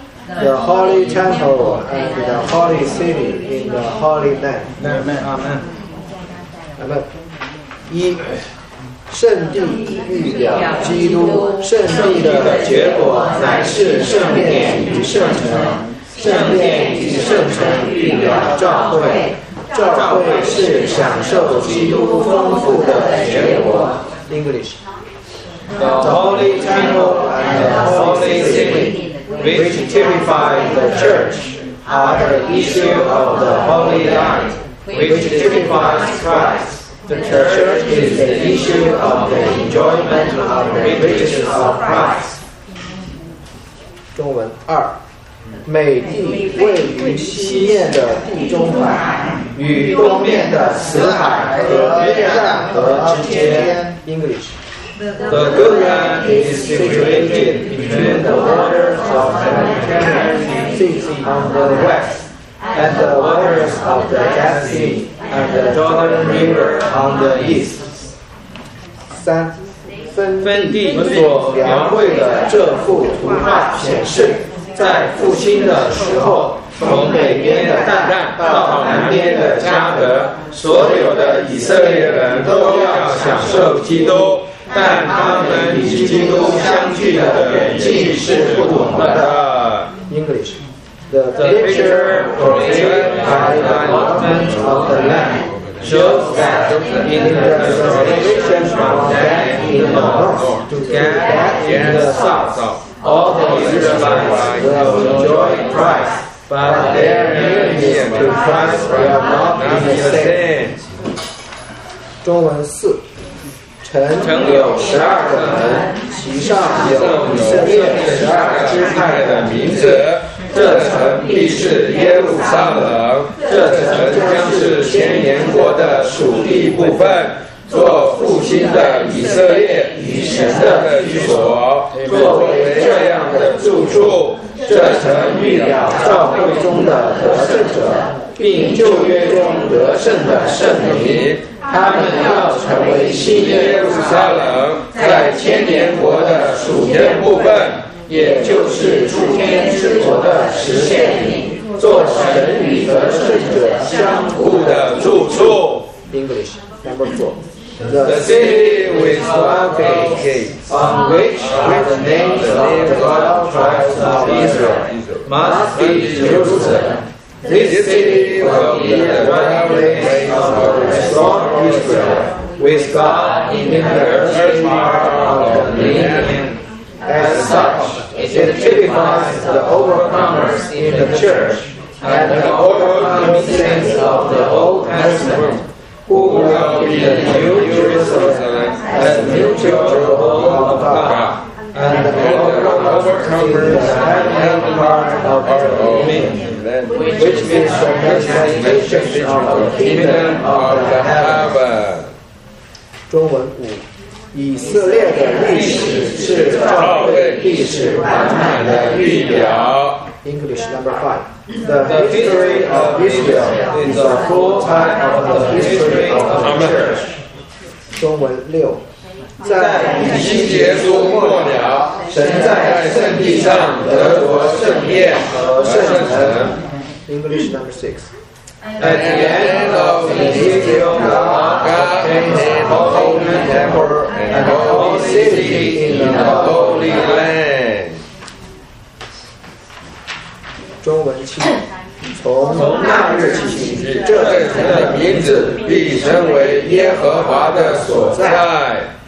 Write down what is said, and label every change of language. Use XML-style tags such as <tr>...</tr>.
<en>The Holy Temple and the Holy City in the Holy Land. Amen. Amen. Amen.</en> <zh>一，圣地预表基督，圣地的结果乃是圣殿与圣城，圣殿与圣城预表教会，教会是享受基督丰富的结果。</zh> <en>English. The Holy Temple and the Holy City. Which typify the church are the issue of the Holy Land, which typifies Christ. The church is the issue of the enjoyment of the riches of Christ.</en> <zh>中文二，美地位于西面的地中海，与东面的死海和约旦河之间。</zh> <en>English. The good land is situated between the waters of the Mediterranean Sea on the west, and the waters of the Dead Sea and the Jordan River on the east.</en> <zh>三，分地所描绘的这幅图画显示，在复兴的时候，从北边的但旦到南边的加德，所有的以色列人都要享受基督。但他们与基督相聚的远近是不同的。</zh> <en>English. The picture portrayed by the allotment of the land shows that in the desolation from that in the north to that in the south, all the Israelites will enjoy Christ, but their nearness to Christ will not be the same.</en> <zh>中文四。城有十二个门，其上有以色列十二支派的名字。这城必是耶路撒冷，这城将是千年国的属地部分，做复兴的以色列与神的居所，作为这样的住处。这城预表教会中的得胜者，并旧约中得胜的圣民。他们要成为新耶路撒冷，在千年国的属天部分，也就是诸天之国的实现品，做神与得胜者相互的住处。</zh> <en>English number four. The city with 12 gates, on which are the names of the 12 tribes of Israel, must be Jerusalem. This city will be the dwelling place of the restored Israel, with God in the earth part of the millennium. As such, it typifies the overcomers in the church and the overcoming saints of the Old Testament, who will be the new Jerusalem as the new temple of God, and the overcomers in the heavenly part of the millennium. Which means the manifestation of the kingdom of the heaven.</en> <zh>中文五，以色列的历史是教会历史完满的预表。</zh> <en>English number five. The history of Israel is a full type of the history of the church.</en> <zh>中文六，在以西结书末了，神在圣地上得着圣殿和圣城。</zh> <en>English number six. At the end of Ezekiel, God came to the Holy Temple and the Holy City in the Holy Land.</en> <zh>中文七，从那日起，这城的名字必称为耶和华的所在。</zh>